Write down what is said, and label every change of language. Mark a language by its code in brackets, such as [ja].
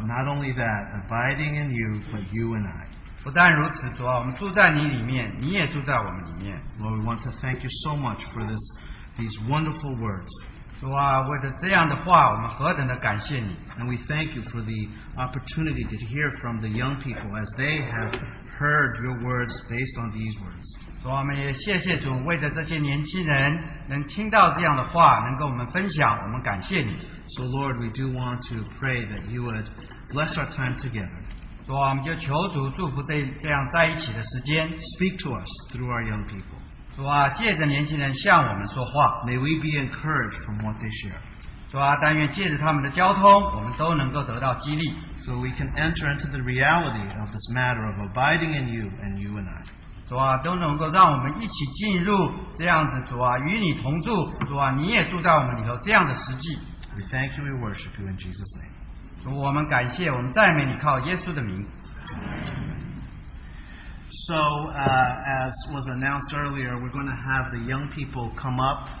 [en] not only that, abiding in you, but you and I. [zh] 不但如此，主啊，我们住在你里面，你也住在我们里面。 [en] Lord, we want to thank you so much for this, these wonderful words. [zh] 主啊，为着这样的话，我们何等的感谢你。 [en] And we thank you for the opportunity to hear from the young people as they have heard your words based on these words. [zh] 主啊，我们也谢谢主，为着这些年轻人能听到这样的话，能跟我们分享，我们感谢你。 [en] So Lord, we do want to pray that you would bless our time together. [zh] 主啊，我们就求主祝福这样在一起的时间。 [en] Speak to us through our young people. [zh] 主啊，借着年轻人向我们说话。 [en] May we be encouraged from what they share. [zh] 主啊，但愿借着他们的交通，我们都能够得到激励。 [en] So we can enter into the reality of this matter of abiding in you and you and I. [zh] 主啊，都能够让我们一起进入这样子，主啊，与你同住，主啊，你也住在我们里头这样的实际。 [en] We thank you, we worship you in Jesus' name. [zh] 我们感谢，我们赞美你，靠耶稣的名。 [en] So, as was announced earlier, we're going to have the young people come up.